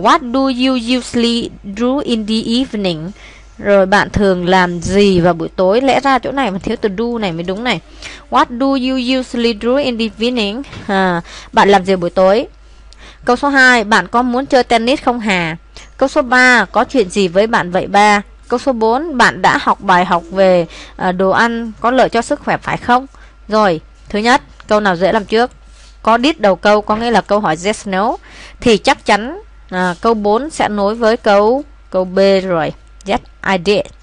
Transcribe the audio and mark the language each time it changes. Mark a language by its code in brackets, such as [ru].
[en] What do you usually do in the evening? [vi] Rồi bạn thường làm gì vào buổi tối? Lẽ ra chỗ này mà thiếu từ do này mới đúng này. [en] What do you usually do in the evening? [vi] Bạn làm gì buổi tối? Câu số 2, bạn có muốn chơi tennis không hà? Câu số 3, có chuyện gì với bạn vậy ba? Câu số 4, bạn đã học bài học về đồ ăn có lợi cho sức khỏe phải không? Rồi, thứ nhất, câu nào dễ làm trước? có đít đầu câu có nghĩa là câu hỏi yes no, thì chắc chắn câu 4 sẽ nối với câu câu B rồi. [en] Yes, I did.